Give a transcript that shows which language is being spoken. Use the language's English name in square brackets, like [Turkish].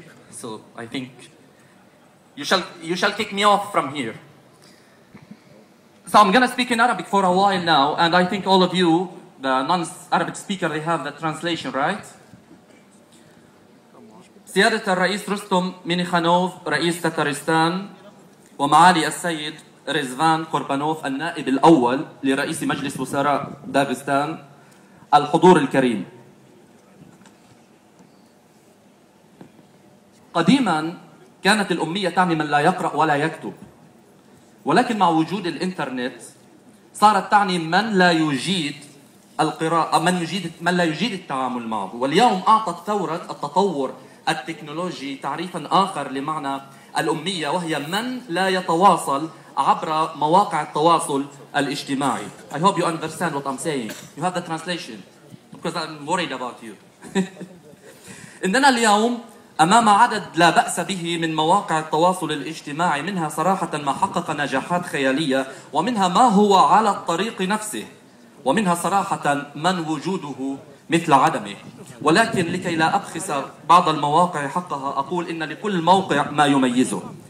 [English] So I think you shall kick me off from here. So I'm going to speak in Arabic for a while now, and I think all of you, the non-Arabic speaker, they have the translation, right? [Arabic] سيادة الرئيس رستم مينيخانوف رئيس تتارستان ومعالي السيد رزفان كوربانوف النائب الأول لرئيس مجلس وزراء داغستان الحضور الكريم قديما كانت الأمية تعني من لا يقرأ ولا يكتب ولكن مع وجود الإنترنت صارت تعني من لا يجيد القراءة من لا يجيد التعامل معه واليوم أعطت ثورة التطور التكنولوجي تعريفا آخر لمعنى الأمية وهي من لا يتواصل عبر مواقع التواصل الاجتماعي. [English] I hope you understand what I'm saying. You have the translation because I'm worried about you. [Arabic] إننا اليوم أمام عدد لا بأس به من مواقع التواصل الاجتماعي منها صراحة ما حقق نجاحات خيالية ومنها ما هو على الطريق نفسه ومنها صراحة من وجوده مثل عدمه ولكن لكي لا أبخس بعض المواقع حقها أقول إن لكل موقع ما يميزه